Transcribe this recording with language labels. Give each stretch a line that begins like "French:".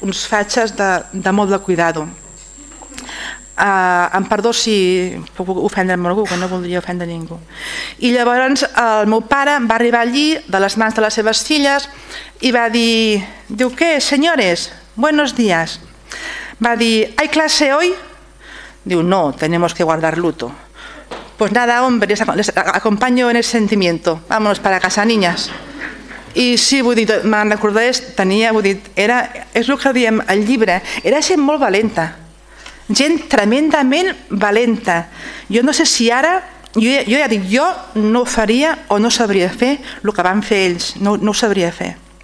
Catalan: Uns fatxes de molt de cuidado. Em perdó si puc ofendre amb algú, que no voldria ofendre ningú. I llavors el meu pare va arribar allí de les mans de les seves filles i va dir, diu, què, senyores?
Spanish: Buenos días.
Catalan: Va dir,
Spanish: hay clase hoy? Diu, no, tenemos que guardar luto. Pues nada, hombre, les acompaño en el sentimiento. Vámonos para casa, niñas.
Catalan: I sí, vull dir, me'n recordaré, tenia, vull dir, era, és el que diem al llibre, era gent molt valenta, gent tremendament valenta. Jo no sé si ara, jo ja dic, jo no faria o no sabria fer el que van fer ells, no ho sabria fer.